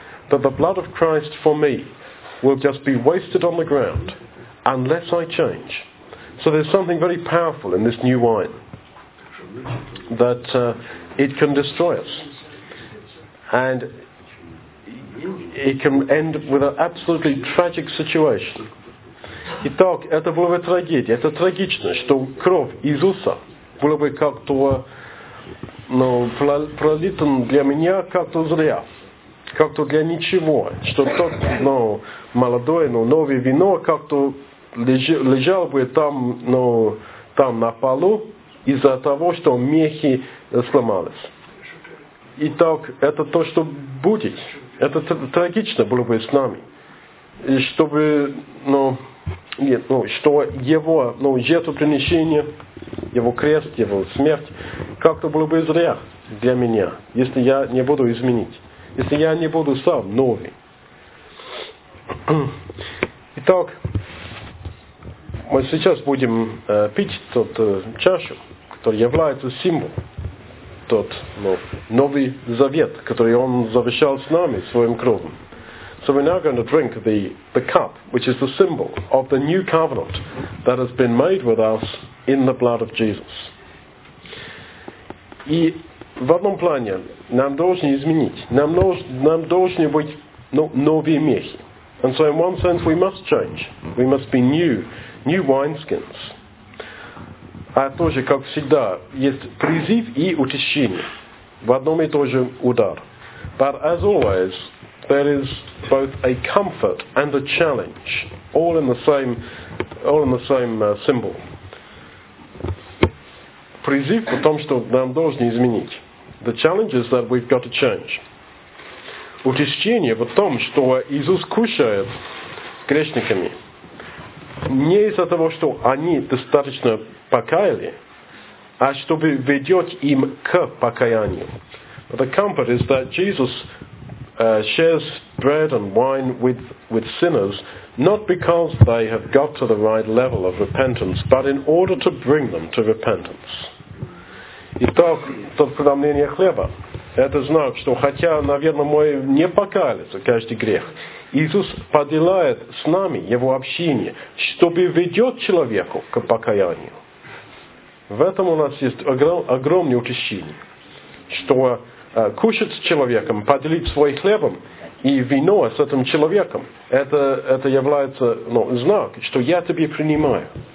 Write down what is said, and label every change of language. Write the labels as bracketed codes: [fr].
[en] That the blood of Christ for me will just be wasted on the ground unless I change. So there's something very powerful in this new wine that it can destroy us. And it can end with an absolutely tragic situation. [ru] Итак, это была бы трагедия. Это трагично, что кровь Иисуса была бы как-то пролитана для меня как-то зря. Как-то для ничего. Что тот молодой, новое вино как-то лежал бы там, там на полу из-за того, что мехи сломались. Итак, это то, что будет. Это трагично было бы с нами. И чтобы, что его жертвоприношение, его крест, его смерть, как-то было бы зря для меня, если я не буду изменить. Если я не буду сам новый. Итак, мы сейчас будем пить тот чашу, который является символом. Тот новый завет, который он завещал с нами своим кровом. [en] So we're now going to drink the cup, which is the symbol of the new covenant that has been made with us in the blood of Jesus. [ru] И в одном плане нам должны изменить, нам должны быть новые мехи. [en] And so in one sense we must change, we must be new wineskins. [ru] А тоже, как всегда, есть призыв и утешение в одном и том же ударе. [en] But as always, there is both a comfort and a challenge, all in the same symbol. [ru] Призыв в том, что нам должны изменить. [en] The challenge is that we've got to change. [ru] Утешение в том, что Иисус кушает с грешниками. Не из-за того, что они достаточно покаяли, а чтобы ведет им к покаянию. [en] But the comfort is that Jesus shares bread and wine with sinners, not because they have got to the right level of repentance, but in order to bring them to repentance. [ru] Итак, тот преломление хлеба. Это знак, что хотя, наверное, мы не покаялись каждый грех, Иисус поделает с нами его общение, чтобы ведет человеку к покаянию. В этом у нас есть огромное утешение, что кушать с человеком, поделить свой хлебом и вино с этим человеком, это является знак, что я тебя принимаю.